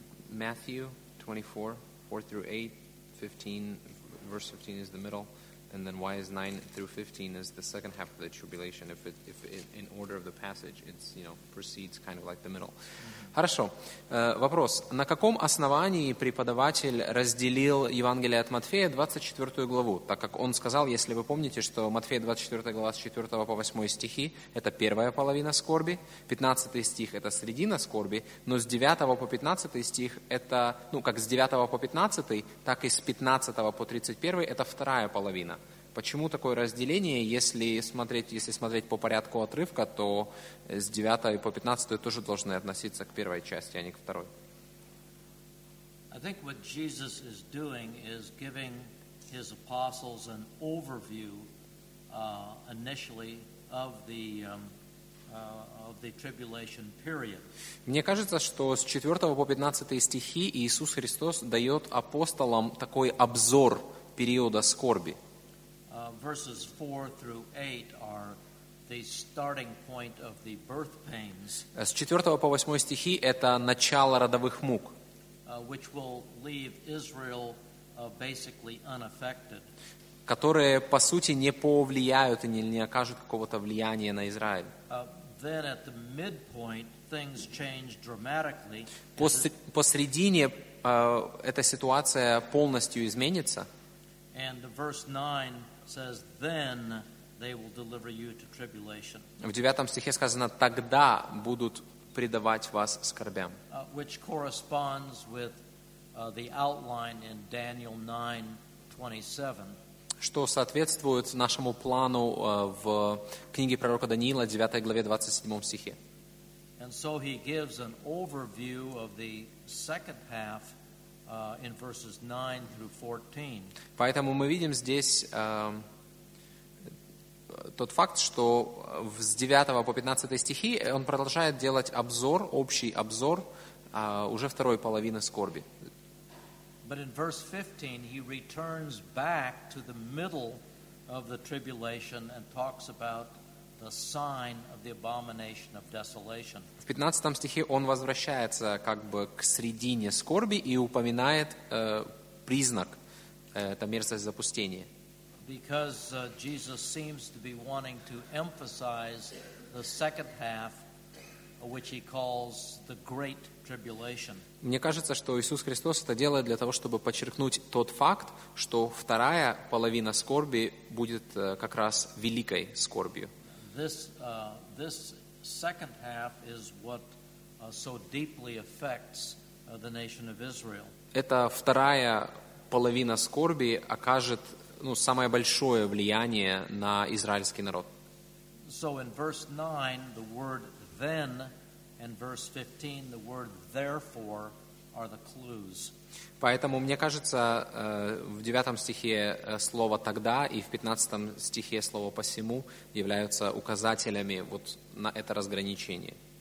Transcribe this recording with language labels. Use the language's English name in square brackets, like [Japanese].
[English] Matthew 24:4-8, 15, verse 15 is the middle, and then why is 9-15 is the second half of the tribulation? If it, in order of the passage, it's, you know, proceeds kind of like the middle. [Russian] Хорошо. Вопрос. На каком основании преподаватель разделил Евангелие от Матфея 24 главу? Так как он сказал, если вы помните, что Матфея 24 глава с 4 по 8 стихи – это первая половина скорби, 15 стих – это середина скорби, но с 9 по 15 стих – это, ну, как с 9 по 15, так и с 15 по 31 – это вторая половина. Почему такое разделение, если смотреть по порядку отрывка, то с 9 по 15 тоже должны относиться к первой части, а не к второй? [English] I think what Jesus is doing is giving his apostles an overview initially of the of the tribulation period. [Russian] Мне кажется, что с 4 по 15 стихи Иисус Христос дает апостолам такой обзор периода скорби. [English] Verses 4 through 8 are the starting point of the birth pains. [Russian] С 4 по 8 стихи это начало родовых мук. [English] Which will leave Israel basically unaffected. [Russian] Которые по сути не повлияют и не окажут какого-то влияния на Израиль. [English] Then at the midpoint things change dramatically. [Russian] Посредине эта ситуация полностью изменится. [English] And verse 9 says, then they will deliver you to tribulation. [Russian] В 9 стихе сказано, тогда будут предавать вас скорбям. [English] Which corresponds with the outline in Daniel 9:27. [Russian] Что соответствует нашему плану в книге пророка Даниила, 9 главе, 27 стихе. [English] And so he gives an overview of the second half in verses 9 through 14. [Russian] Поэтому мы видим здесь тот факт, что с 9 по 15 стихи он продолжает делать обзор, общий обзор уже второй половины скорби. [English] But in verse 15 he returns back to the middle of the tribulation and talks about the sign of the abomination of desolation. [Russian] В 15 стихе он возвращается как бы к середине скорби и упоминает признак это мерзость запустения. [English] Because Jesus seems to be wanting to emphasize the second half, which he calls the great tribulation. [Russian] Мне кажется, что Иисус Христос это делает для того, чтобы подчеркнуть тот факт, что вторая половина скорби будет как раз великой скорбью. [English] This second half is what so deeply affects the nation of Israel. [Russian] Эта вторая половина скорби окажет самое большое влияние на израильский народ. [English] So in verse 9, the word then and verse 15, the word therefore are the clues. [Russian] Поэтому, мне кажется, в 9 стихе слово «тогда» и в 15 стихе слово «посему» являются указателями вот на это разграничение.